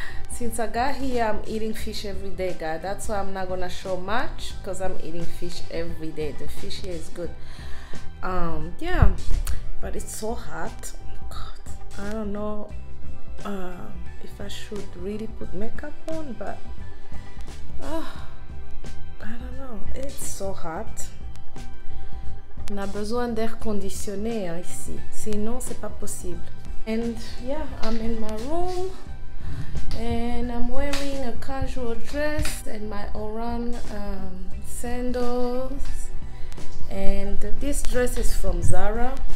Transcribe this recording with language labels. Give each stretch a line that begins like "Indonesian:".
English: Since I got here, I'm eating fish every day, guys. That's why I'm not gonna show much, because I'm eating fish every day. The fish here is good. Yeah, but it's so hot. God, I don't know if I should really put makeup on, but I don't know, it's so hot.
French: On a besoin d'air conditionné ici, sinon c'est pas possible.
English: And yeah, I'm in my room and I'm wearing a casual dress and my orange sandals, and this dress is from Zara.